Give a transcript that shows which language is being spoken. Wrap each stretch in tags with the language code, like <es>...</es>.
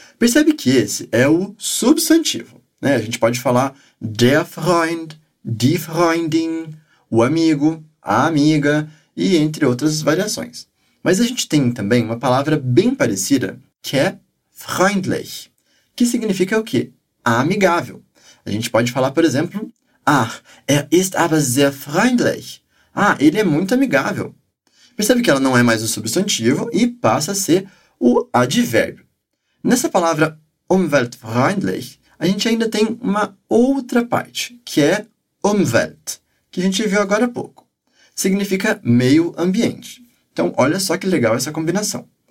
<pt>Percebe que esse é o substantivo, né? A gente pode falar der Freund, die Freundin, o amigo, a amiga e entre outras variações. Mas a gente tem também uma palavra bem parecida que é freundlich, que significa o quê? Amigável. A gente pode falar, por exemplo, Ah,</pt> <de>er ist aber sehr freundlich.</de> <pt>Ah, ele é muito amigável. Percebe que ela não é mais o substantivo e passa a ser o advérbio. Nessa palavra umweltfreundlich, a gente ainda tem uma outra parte, que é Umwelt, que a gente viu agora há pouco. Significa meio ambiente. Então, olha só que legal essa combinação.</pt>